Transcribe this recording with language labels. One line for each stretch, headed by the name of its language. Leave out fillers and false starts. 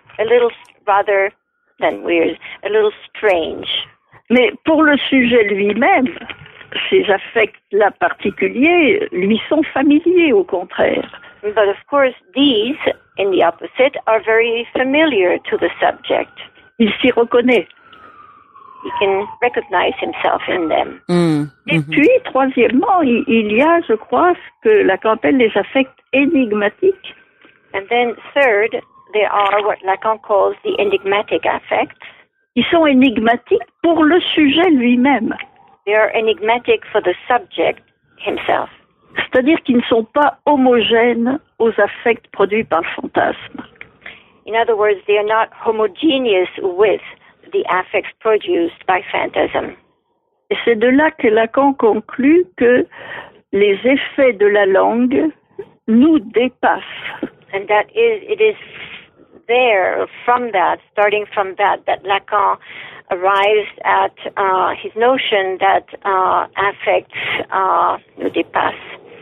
English: A little rather than weird, a little strange.
French: Mais pour le sujet lui-même, ces affects-là particuliers lui sont familiers, au contraire.
English: But of course, these, in the opposite are very familiar to the subject.
French: Il s'y reconnaît.
English: He can recognize himself in them. Mm.
French: Et puis, troisièmement, il y a, je crois, ce que Lacan appelle les affects énigmatiques.
English: And then, third, there are what Lacan calls the enigmatic affects.
French: Ils sont énigmatiques pour le sujet lui-même.
English: They are enigmatic for the subject himself.
French: C'est-à-dire qu'ils ne sont pas homogènes aux affects produits par le fantasme.
English: In other words, they are not homogeneous with the affects produced by phantasm.
French: Et c'est de là que Lacan conclut que les effets de la langue nous dépassent.
English: And that is, it is there, from that, starting from that, that Lacan arrives at his notion that affects
French: nous dépassent.